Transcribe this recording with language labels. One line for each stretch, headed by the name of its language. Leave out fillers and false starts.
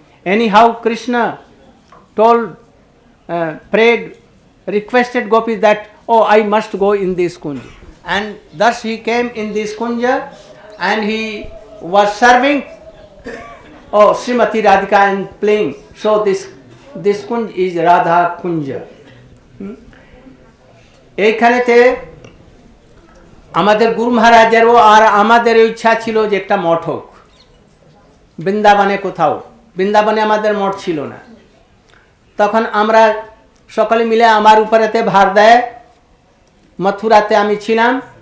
English: Anyhow Krishna told prayed requested gopi that I must go in this kunj. And thus he came in this kunj and he was serving Srimati Radhika and playing. So this kunj is Radha Kunja.
Bangla: এইখানে তে আমাদের গুরু মহারাজের ও আর আমাদের ইচ্ছা ছিল যে একটা মঠ হোক বৃন্দাবনে কোথাও. বৃন্দাবনে আমাদের মঠ ছিল না. তখন আমরা সকলে মিলে আমার উপরেতে ভার দেয় মথুরাতে আমি ছিলাম.